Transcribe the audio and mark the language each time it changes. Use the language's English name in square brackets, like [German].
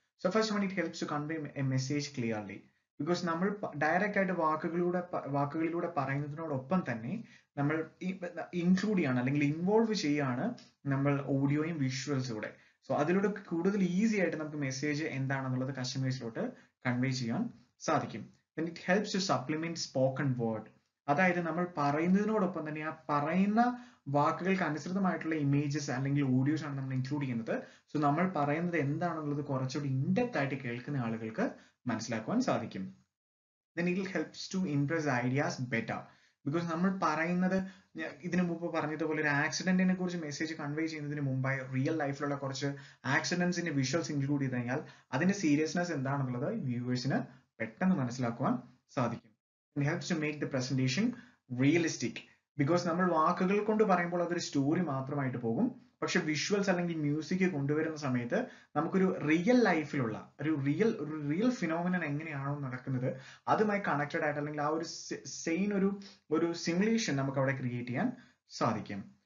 [English] So first one, it helps to convey a message clearly. [Malayalam] Because നമ്മൾ direct ആയിട്ട് വാക്കുകളിലൂടെ പറയുന്നതിനോടൊപ്പം തന്നെ നമ്മൾ ഇൻക്ലൂഡ് ചെയ്യാണ് അല്ലെങ്കിൽ ഇൻവോൾവ് ചെയ്യാണ് നമ്മൾ ഓഡിയോയും വിഷ്വൽസിലൂടെ. സോ അതിലൂടെ കൂടുതൽ ഈസി ആയിട്ട് നമുക്ക് മെസ്സേജ് എന്താണെന്നുള്ളത് കസ്റ്റമേഴ്സിലോട്ട് കൺവേ ചെയ്യാൻ സാധിക്കും. [English] Then it helps to supplement spoken word. [Malayalam] അതായത് നമ്മൾ പറയുന്നതിനോടൊപ്പം തന്നെ ആ പറയുന്ന വാക്കുകൾക്ക് അനുസൃതമായിട്ടുള്ള ഇമേജസ് അല്ലെങ്കിൽ ഓഡിയോസ് ആണ് നമ്മൾ ഇൻക്ലൂഡ് ചെയ്യുന്നത്. സോ നമ്മൾ പറയുന്നത് എന്താണെന്നുള്ളത് കുറച്ചുകൂടി ഇൻഡെപ്ത് ആയിട്ട് കേൾക്കുന്ന ആളുകൾക്ക് മനസ്സിലാക്കുവാൻ സാധിക്കും. [English] Then it helps to impress ideas better. [Malayalam] Because നമ്മൾ പറയുന്നത് ഇതിനു മുമ്പ് പറഞ്ഞതുപോലെ ഒരു ആക്സിഡന്റിനെ കുറിച്ച് മെസ്സേജ് കൺവേ ചെയ്യുന്നതിന് മുമ്പായി റിയൽ ലൈഫിലുള്ള കുറച്ച് ആക്സിഡൻസിന്റെ വിഷ്വൽസ് ഇൻക്ലൂഡ് ചെയ്ത് കഴിഞ്ഞാൽ അതിന്റെ സീരിയസ്നെസ് എന്താണെന്നുള്ളത് വ്യൂവേഴ്സിന് പെട്ടെന്ന് മനസ്സിലാക്കുവാൻ സാധിക്കും. [English] Helps to make the presentation realistic. [Malayalam] Because നമ്മൾ വാക്കുകൾ കൊണ്ട് പറയുമ്പോൾ അതൊരു സ്റ്റോറി മാത്രമായിട്ട് പോകും, പക്ഷെ വിഷ്വൽസ് അല്ലെങ്കിൽ മ്യൂസിക് കൊണ്ടുവരുന്ന സമയത്ത് നമുക്കൊരു റിയൽ ലൈഫിലുള്ള ഒരു റിയൽ ഫിനോമിനൻ എങ്ങനെയാണോ നടക്കുന്നത് അതുമായി കണക്റ്റഡ് ആയിട്ട് അല്ലെങ്കിൽ ആ ഒരു സെയിം ഒരു സിമുലേഷൻ നമുക്ക് അവിടെ ക്രിയേറ്റ് ചെയ്യാൻ സാധിക്കും.